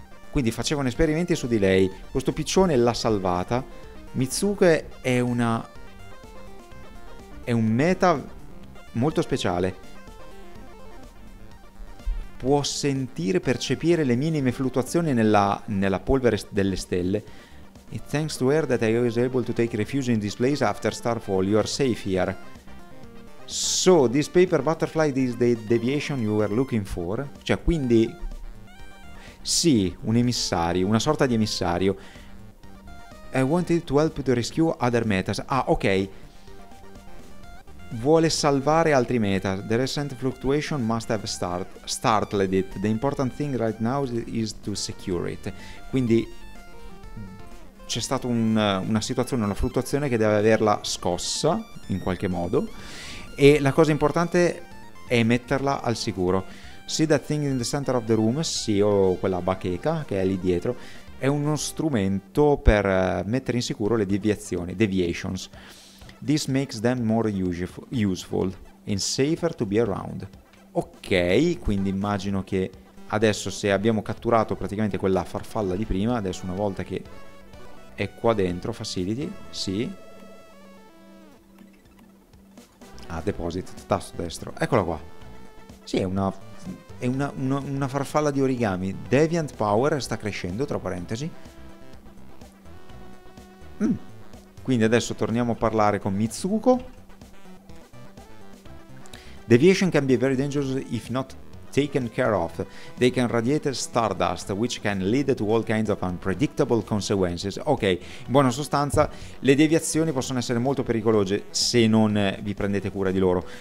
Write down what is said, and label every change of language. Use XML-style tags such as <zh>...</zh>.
<it>Quindi facevano esperimenti su di lei. Questo piccione l'ha salvata. Mitsuke è una. È un meta molto speciale. Può sentire, percepire le minime fluttuazioni nella polvere delle stelle.</it> <en>It's thanks to her that I was able to take refuge in this place after Starfall. You are safe here. So, this paper butterfly is the deviation you were looking for?</en> <it>Cioè, quindi... Sì, un emissario, una sorta di emissario.</it> <en>I wanted to help to rescue other metas.</en> <it>Ah, ok. Vuole salvare altri meta.</it> <en>The recent fluctuation must have startled it. The important thing right now is to secure it.</en> <it>Quindi c'è stata una situazione, una fluttuazione che deve averla scossa in qualche modo. E la cosa importante è metterla al sicuro.</it> <en>See that thing in the center of the room?</en> <it>Sì, o quella bacheca che è lì dietro. È uno strumento per mettere in sicuro le deviazioni, deviations.</it> <en>This makes them more useful and safer to be around.</en> <it>Ok, quindi immagino che adesso se abbiamo catturato praticamente quella farfalla di prima, adesso una volta che è qua dentro, facility, sì. Ah, deposit, tasto destro, eccola qua. Sì, è una farfalla di origami. Deviant power sta crescendo, tra parentesi. Quindi adesso torniamo a parlare con Mitsuko.</it> <en>Deviation can be very dangerous if not taken care of. They can radiate stardust, which can lead to all kinds of unpredictable consequences.</en> <it>Ok, in buona sostanza, le deviazioni possono essere molto pericolose se non vi prendete cura di loro.</it>